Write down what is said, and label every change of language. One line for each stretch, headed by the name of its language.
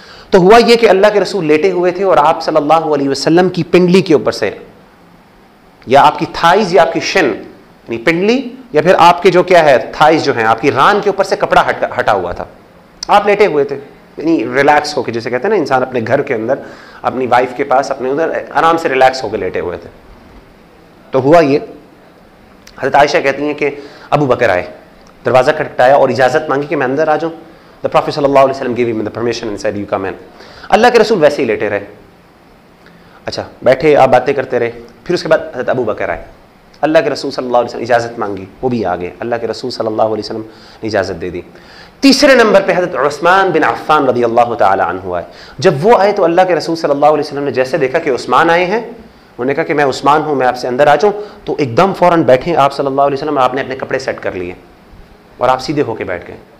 Urdu: تو ہوا یہ کہ اللہ کے رسول لیٹے ہوئے تھے اور آپ صلی اللہ علیہ وسلم کی پنڈلی کے اوپر سے, یا آپ کی تھائز یا آپ کی شن, یعنی پنڈلی یا پھر آپ کے جو کیا ہے تھائز جو ہیں, آپ کی ران کے اوپر سے کپڑا ہٹا ہوا تھا. آپ لیٹے ہوئے تھے یعنی ریلیکس ہو کے, جیسے کہتے ہیں نا انسان اپنے گھر کے اندر اپنی وائف کے پاس اپنے ادھر آرام سے ریلیکس ہو کے لیٹے ہوئے تھے. تو ہوا یہ, حضرت عائشہ کہتی ہیں کہ ابو بکر آئے, دروازہ کھٹکھٹایا اور اجازت مانگی کہ میں اندر آ جاؤں.
English: The Prophet صلی اللہ علیہ وسلم gave him the permission and said, you come in.
Urdu: اللہ کے رسول ویسے ہی لیٹے رہے. اچھا بیٹھے آپ باتیں کرتے رہے, پھر اس کے بعد حضرت ابو بکر آئے, اللہ کے رسول صلی اللہ علیہ وسلم اجازت مانگی, وہ بھی آ گئے, اللہ کے رسول صلی اللہ علیہ وسلم نے اجازت دے دی. تیسرے نمبر پہ حضرت عثمان بن عفان رضی اللہ تعالی عنہ آئے. جب وہ آئے تو اللہ کے رسول صلی اللہ علیہ وسلم نے جیسے دیکھا کہ عثمان آئے ہیں, انہوں نے کہا کہ میں عثمان ہوں, میں آپ سے اندر آ جاؤں, تو ایک دم فوراً بیٹھے آپ صلی اللہ علیہ وسلم, آپ نے اپنے کپڑے سیٹ کر لیے اور آپ سیدھے ہو کے بیٹھ گئے.